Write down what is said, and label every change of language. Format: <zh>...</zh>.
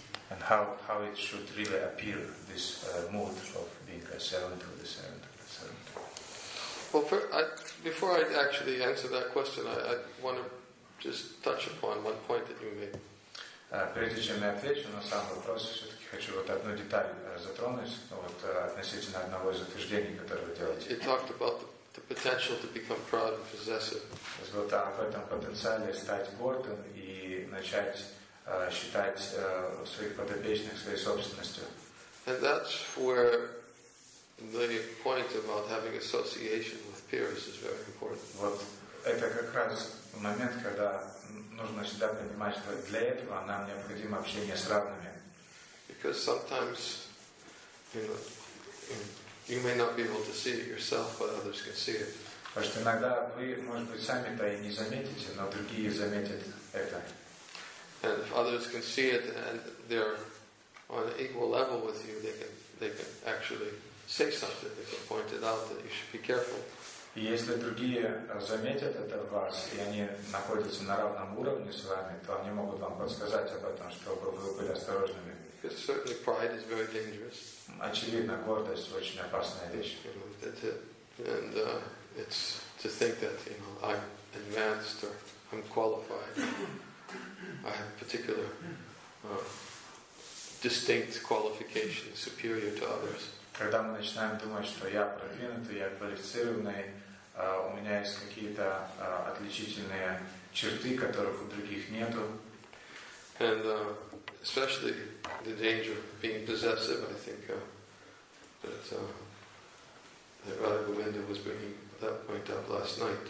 <en>And how it should really appear, this mood of being a servant of the servant of the servant? Before I actually answer that question, I want to just touch upon one point that you made.</en> <ru>Прежде чем я отвечу на сам вопрос, все-таки хочу вот одну деталь затронуть, вот относительно одного из утверждений, которое вы делаете.</ru> <en>You talked about the potential to become proud and possessive.</en> <ru>Вот об этом потенциале стать гордым и начать считать своих подопечных своей собственностью.</ru> <en>And that's where the point about having association with peers is very important.</en> <ru>Вот это как раз момент, когда нужно всегда понимать, что для этого нам необходимо общение с равными.</ru> <en>Because sometimes, you know, you may not be able to see it yourself, but others can see it.</en> <ru>Потому что иногда вы, может быть, сами-то и не заметите, но другие заметят это.</ru> <en>And if others can see it and they're on an equal level with you, they can actually say something, they can point it out that you should be careful.</en> <ru>И если другие заметят это в вас, и они находятся на равном уровне с вами, то они могут вам подсказать об этом, чтобы вы были осторожными.</ru> <en>Because certainly pride is very dangerous.</en> <ru>Очевидно, гордость – очень опасная вещь.</ru> <en>And it's to think that, you know, I'm advanced or I'm qualified. I have particular distinct qualifications superior to others.</en> <ru>Когда мы начинаем думать, что я продвинутый, я квалифицированный, у меня есть какие-то отличительные черты, которых у других нету.</ru> <en>And especially the danger of being possessive, I think that Radha Govinda was bringing that point up last night.</en>